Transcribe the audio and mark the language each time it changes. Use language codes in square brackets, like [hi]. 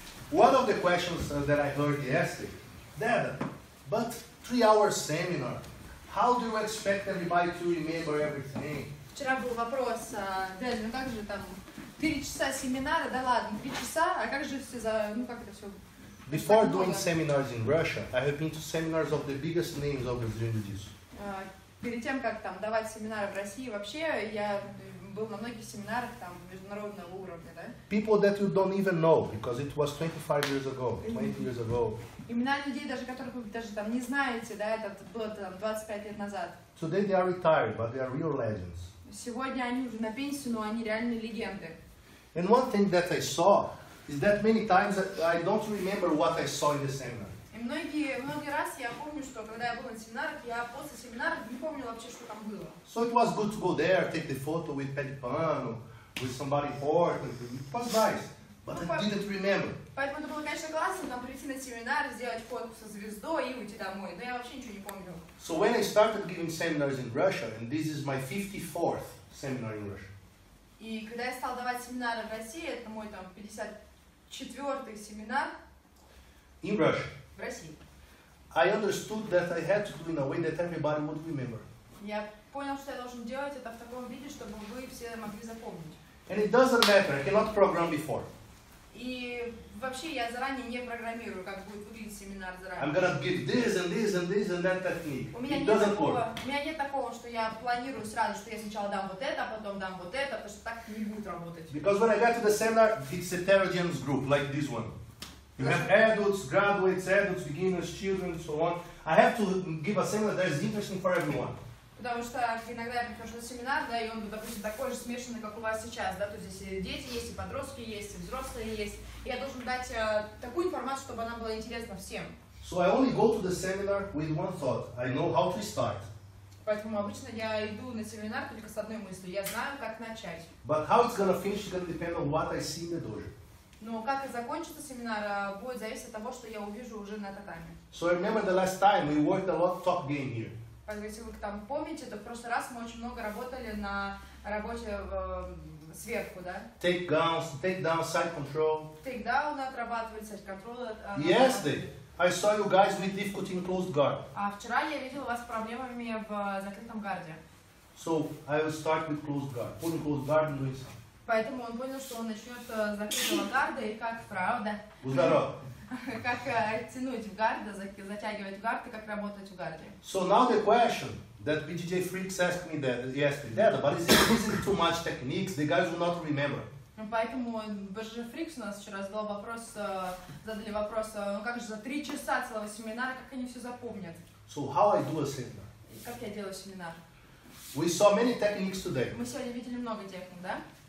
[en] One of the questions that I heard yesterday, Dad, but 3-hour seminar, How do you expect everybody to remember everything? [ru] Вчера был вопрос, Дэн, ну как же там, 3 часа семинара, да ладно, 3 часа, а как же все за, ну как это все? [en] Before doing seminars in Russia, I have been to seminars of the biggest names of the jiu-jitsu. [ru] Перед тем, как там давать семинары в России, вообще я был на многих семинарах там международного уровня, да? [en] People that you don't even know, because it was 25 years ago, 20 years ago. [ru] Имена людей, даже которых вы даже там не знаете, да, это было там 25 лет назад. [en] Today they are retired, but they are real legends. [ru] Сегодня они уже на пенсии, но они реальные легенды. [en] And one thing that I saw is that many times I don't remember what I saw in the seminar. [ru] И многие раз я помню, что когда я был на семинарах, я после семинара не помню вообще, что там было. [en] So it was good to go there, take the photo with Pedipano, with somebody important. It was nice, but I didn't remember. [ru] Поэтому это было, конечно, классно, там прийти на семинар, сделать фотку со звездой и уйти домой. Но я вообще ничего не помню. [en] So when I started giving seminars in Russia, and this is my 54th seminar in Russia. [ru] И когда я стал давать семинары в России, это мой там 54-й семинар. [en] In Russia. [ru] В России. [en] I understood that I had to do in a way that everybody would remember. [ru] Я понял, что я должен делать это в таком виде, чтобы вы все могли запомнить. [en] And it doesn't matter, I cannot program before. [ru] И вообще я заранее не программирую, как будет выглядеть семинар заранее. [en] I'm gonna give this and this and this and that technique. [ru] У меня нет такого, что я планирую сразу, что я сначала дам вот это, потом дам вот это, потому что так не будет работать. [en] Because when I got to the seminar, it's a heterogeneous group, like this one. You have adults, graduates, adults, beginners, children, so on. I have to give a seminar that is interesting for everyone. [ru] Потому что иногда я прихожу на семинар, да, и он, допустим, такой же смешанный, как у вас сейчас, да, то есть и дети есть, и подростки есть, и взрослые есть. И я должен дать такую информацию, чтобы она была интересна всем. [en] So I only go to the seminar with one thought. I know how to start. [ru] Поэтому обычно я иду на семинар только с одной мыслью. Я знаю, как начать. [en] But how it's gonna finish is gonna depend on what I see in the dojo. [ru] Но как и закончится семинар, будет зависеть от того, что я увижу уже на татами. [en] So remember the last time we worked a lot top game here. [ru] Если вы там помните, то в прошлый раз мы очень много работали на работе сверху, да? [en] Take downs, take down side control. [ru] Take down отрабатывать, side control. [en] Yesterday I saw you guys with difficulty in closed guard. [ru] А вчера я видел вас с проблемами в закрытом гарде. [en] So I will start with closed guard, pulling closed guard and doing something. [ru] Поэтому он понял, что он начнет с закрытого гарда, и как, правда? Здорово! Как тянуть в гард, затягивать в гард, и как работать в гарде. [en] So now the question that BJJ freaks asked me that yesterday, but is it using too much techniques, the guys will not remember. [ru] Поэтому BJJ freaks у нас вчера задал вопрос, задали вопрос, ну как же за 3 часа целого семинара, как они все запомнят? [en] So how I do a seminar? [ru] Как я делаю семинар? [en] We saw many techniques today. [ru] Мы сегодня видели много техник, да?